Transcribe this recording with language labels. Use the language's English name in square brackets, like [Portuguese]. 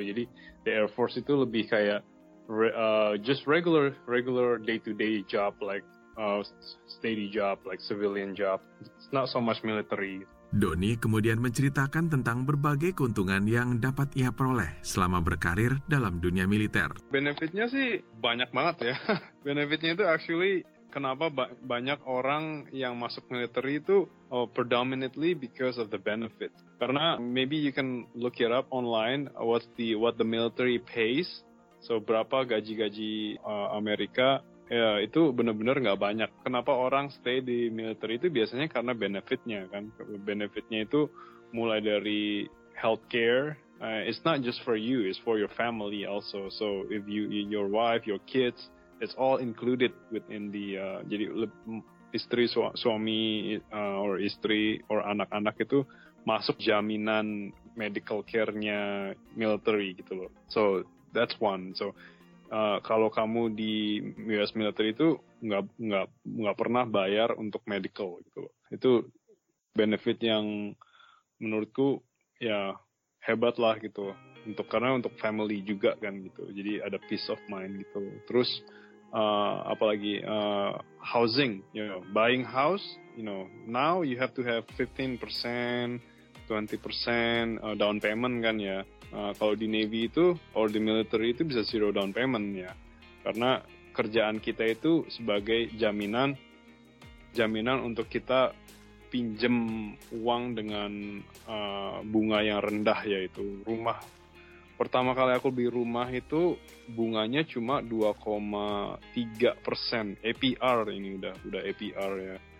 [English] Jadi the Air Force [Indonesian] itu lebih kayak [English] just regular day-to-day job, like steady job, like civilian job. It's not so much military. [Indonesian] Doni kemudian menceritakan tentang berbagai keuntungan yang dapat ia peroleh selama berkarir dalam dunia militer. Benefitnya sih banyak banget ya. Benefitnya itu actually kenapa banyak orang yang masuk militer itu [English] predominantly because of the benefit. [Indonesian] Karena [English] maybe you can look it up online what the military pays. [Indonesian] So berapa gaji-gaji Amerika. Ya, itu benar-benar nggak banyak. Kenapa orang stay di militer itu biasanya karena benefitnya, kan? Benefitnya itu mulai dari healthcare. [English] It's not just for you, it's for your family also. So, if you, your wife, your kids, it's all included within the... [Indonesian] jadi, istri, suami, or istri, or anak-anak itu masuk jaminan medical care-nya military, gitu loh. [English] So, that's one. So... [Indonesian] kalau kamu di US military itu nggak pernah bayar untuk medical gitu loh. Itu benefit yang menurutku ya hebat lah gitu loh. Untuk karena untuk family juga kan gitu, jadi ada [English] peace of mind [Indonesian] gitu loh. Terus apalagi [English] housing, you know, buying house, you know, now you have to have 15% 20% down payment [Indonesian] kan ya. Kalau di Navy itu, or di military itu bisa zero down payment ya. Karena kerjaan kita itu sebagai jaminan untuk kita pinjem uang dengan bunga yang rendah, yaitu rumah. Pertama kali aku beli rumah itu bunganya cuma 2,3% APR, ini udah APR ya.